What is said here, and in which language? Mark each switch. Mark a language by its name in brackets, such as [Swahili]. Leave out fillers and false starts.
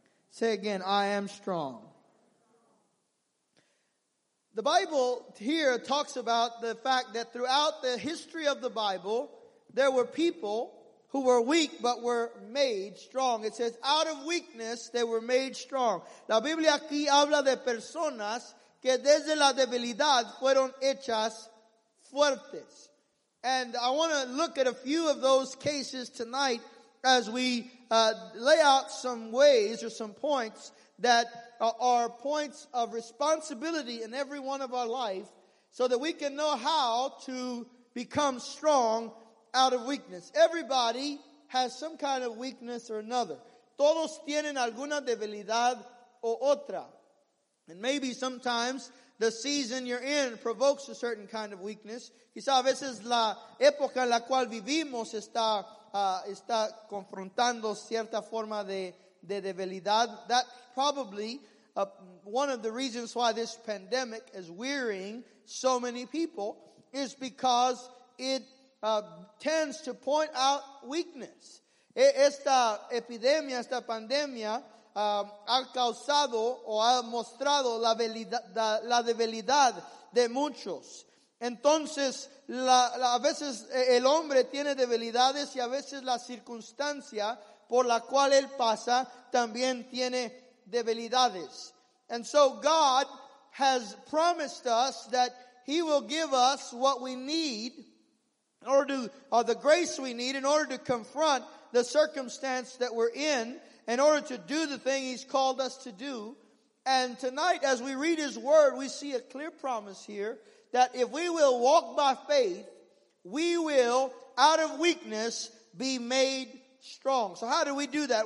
[English] Say again, I am strong. The Bible here talks about the fact that throughout the history of the Bible, there were people who were weak but were made strong. It says, out of weakness, they were made strong. [Spanish] La Biblia aquí habla de personas que desde la debilidad fueron hechas fuertes. [English] And I want to look at a few of those cases tonight as we lay out some ways or some points that are points of responsibility in every one of our life so that we can know how to become strong out of weakness. Everybody has some kind of weakness or another. [Spanish] Todos tienen alguna debilidad o otra. [English] And maybe sometimes the season you're in provokes a certain kind of weakness. [Spanish] Quizá a veces la época en la cual vivimos está confrontando cierta forma de debilidad. [English] That's probably one of the reasons why this pandemic is wearying so many people, is because it tends to point out weakness. [Spanish] Esta epidemia, esta pandemia, ha causado o ha mostrado la debilidad de muchos. Entonces, a veces el hombre tiene debilidades y a veces la circunstancia por la cual él pasa también tiene debilidades. [English] And so God has promised us that he will give us what we need in order to, the grace we need in order to confront the circumstance that we're in order to do the thing he's called us to do. And tonight, as we read his word, we see a clear promise here that if we will walk by faith, we will, out of weakness, be made strong. So how do we do that?